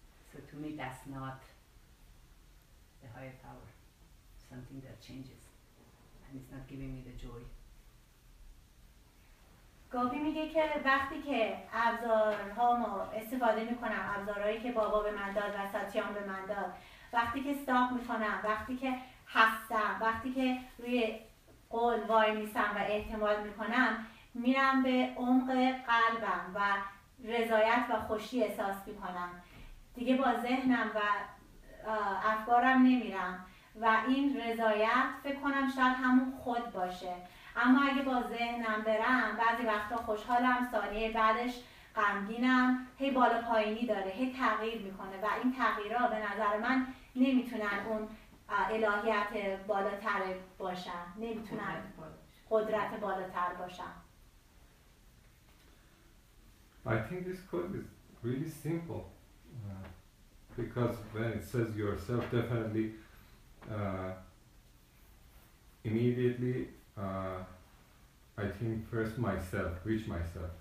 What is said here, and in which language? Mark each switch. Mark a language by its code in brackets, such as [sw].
[en] So to me, that's not the higher power. Something that changes, and it's not giving me the joy. [fa] گاوی میگه که وقتی که ابزارهامو استفاده میکنم، ابزارهایی که بابا به من داد و ساتیان به من داد، وقتی که استاپ میکنم، وقتی که هستم، وقتی که روی قول وای میسم و اعتماد میکنم، میرم به عمق قلبم و رضایت و خوشی احساس میکنم، دیگه با ذهنم و افکارم نمیرم و این رضایت فکر کنم شاید همون خود باشه. اما اگه با ذهنم برم، بعضی وقتا خوشحالم، ثانیه بعدش غمگینم، هی بالا پایینی داره، هی تغییر میکنه و این تغییرها به نظر من نمیتونن اون الهیت بالاتر باشن، نمیتونن قدرت بالاتر باشن. [en] I think this quote is really simple because when it says yourself, definitely immediately I think first myself, which myself?